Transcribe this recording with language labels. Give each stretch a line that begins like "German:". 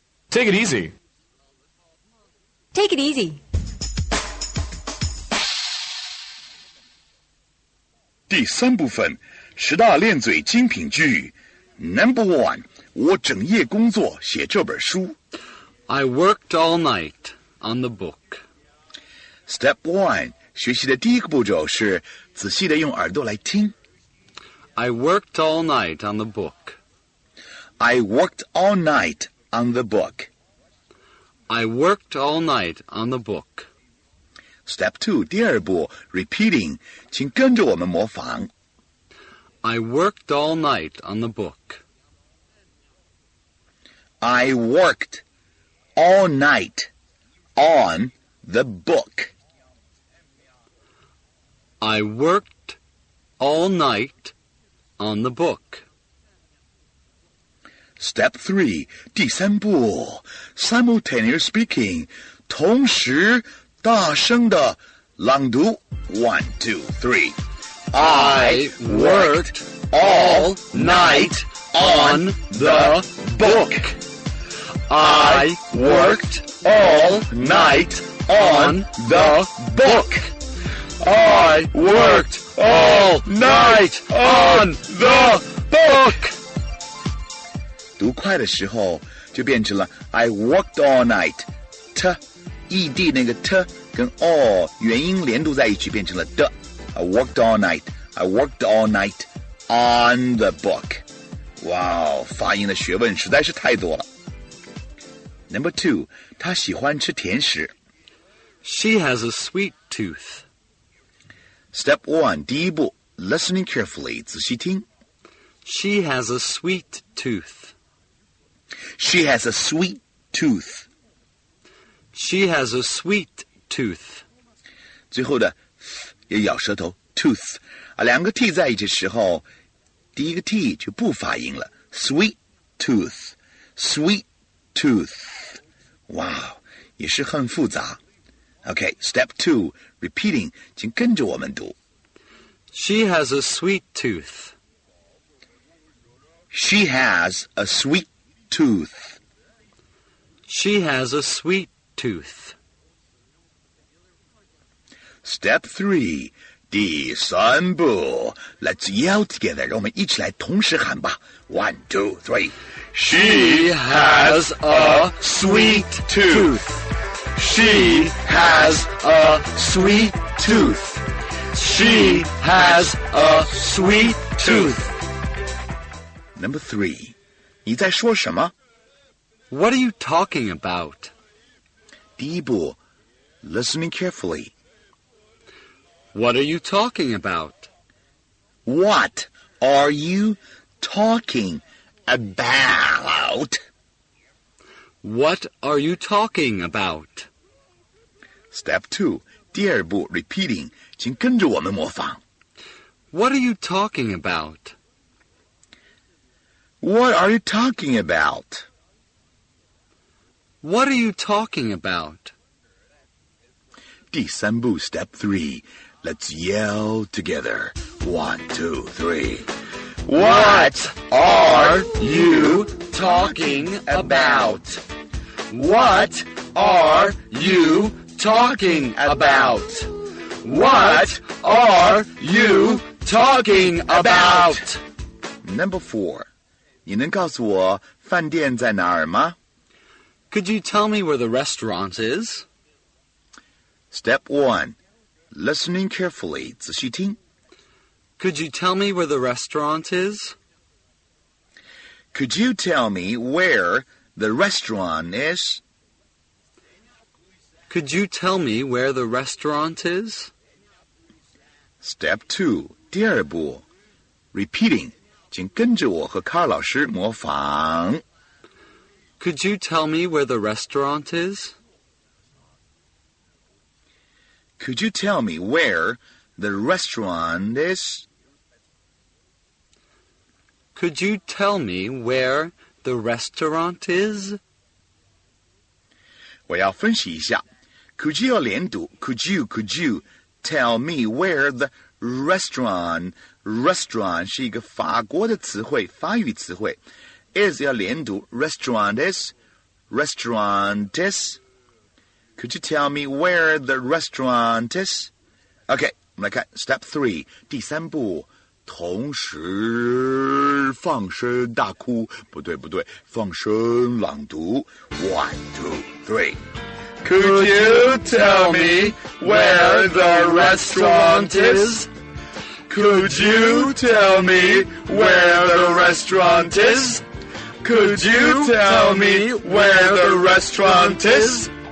English: Take it easy. Take it easy.
Chinese: 第三部分，十大练嘴精品句。
English: Number one,
Chinese: 我整夜工作写这本书。
English: I worked all night on the book. Step one,
Chinese: 学习的第一个步骤是仔细的用耳朵来听。
English: I worked all night on the book. I worked all night on the book. I worked all night on the book. Step two,
Chinese: 第二步
English: repeating,
Chinese: 请跟着我们模仿。
English: I worked all night on the book. I worked all night on the book. I worked all night on the book. Step three,
Chinese: 第三步
English: simultaneous speaking,
Chinese: 同时大声的朗读
English: One, two, three. I worked all night on the book. I worked all night on the book. I worked all night on the book.
Chinese: 读快的时候就变成了
English: I worked all night.
Chinese: T, ed 那个 t 跟 all 元音连读在一起变成了 d.
English: I worked all night. I worked all night on the book.
Chinese: Wow, 发音的学问实在是太多了。
English: Number two,
Chinese: 她喜欢吃甜食。
English: She has a sweet tooth. Step one,
Chinese: 第一步
English: listening carefully,
Chinese: 仔细听。
English: She has a sweet tooth. She has a sweet tooth. She has a sweet tooth.
Chinese: 最后的 th 也咬舌头 tooth 啊，两个 t 在一起时候，第一个 t 就不发音了
English: sweet tooth, sweet tooth.
Chinese: Wow, 也是很复杂。
English: Okay, step two, repeating,
Chinese: 请跟着我们读。
English: She has a sweet tooth. She has a sweet. Tooth. She has a sweet tooth. Step three,
Chinese: 第三步
English: Let's yell together.
Chinese: 让我们一起来同时喊吧
English: One, two, three. She has a sweet tooth. She has a sweet tooth. She has a sweet tooth. Number three.
Chinese: 你在说什么
English: What are you talking about?
Chinese: 第一步
English: listening carefully. What are you talking about? What are you talking about? What are you talking about? Step two,
Chinese: 第二步
English: repeating,
Chinese: 请跟着我们模仿。
English: What are you talking about? What are you talking about? What are you talking about?
Chinese: 第三步
English: step three, let's yell together. One, two, three. What are you talking about? What are you talking about? What are you talking about? Number four.
Chinese: 你能告诉我饭店在哪儿吗
English: Could you tell me where the restaurant is? Step one, listening carefully,
Chinese: 仔细听。
English: Could you tell me where the restaurant is? Could you tell me where the restaurant is? Could you tell me where the restaurant is? Step two,
Chinese: 第二步
English: repeating.
Chinese: 请跟着我和卡老师模仿。
English: Could you tell me where the restaurant is? Could you tell me where the restaurant is? Could you tell me where the restaurant is?
Chinese: 我要分析一下。
English: Could you
Chinese: 要连读。
English: Could you tell me where the restaurant is?
Chinese: Restaurant 是一个法国的词汇，法语词汇。
English: Is
Chinese: 要连读
English: ，restaurant is, restaurant is. Could you tell me where the restaurant is? Okay,
Chinese: 我们来看
English: step three，
Chinese: 第三步，同时放声大哭，不对，放声朗读。
English: One, two, three. Could you tell me where the restaurant is? Could you tell me where the restaurant is? Could you tell me where the restaurant is?